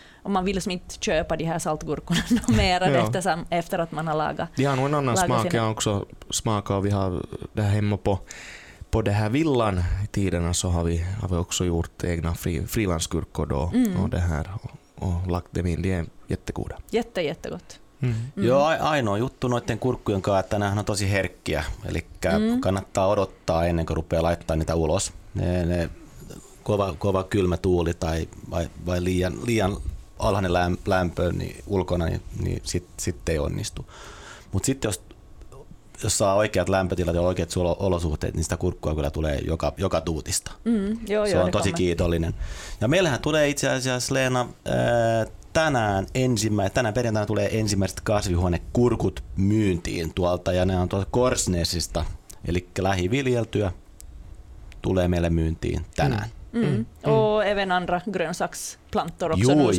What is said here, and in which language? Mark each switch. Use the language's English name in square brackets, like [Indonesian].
[Swedish] Och man vill som inte köpa de här saltgurkorna mer efter att man har lagat. De har nog en annan smak. Jag också smakar, och vi har det här hemma på det här villan i tiderna, så har vi också gjort egna frilansgurkor då och det här. Och lagt dem in, de är jättegoda. Jättegott. [Finnish] Joo, ainoa juttu noiden kurkkujen kanssa, että nämähän on tosi herkkiä. Elikkä kannattaa odottaa ennen kuin rupeaa laittamaan niitä ulos. Ne kova kylmä tuuli tai vai liian alhainen lämpö niin ulkona, niin sitten ei onnistu. Mutta sitten jos saa oikeat lämpötilat ja oikeat olosuhteet, niin sitä kurkkua kyllä tulee joka tuutista. Se on tosi kiitollinen. Ja meillähän tulee itse asiassa, Leena, tänä perjantaina tulee ensimmäiset kasvihuonekurkut myyntiin tuolta, ja ne on tuolta Korsnesista, eli lähiviljeltyä, tulee meille myyntiin tänään. [Swedish] Och även andra grönsaksplantor också.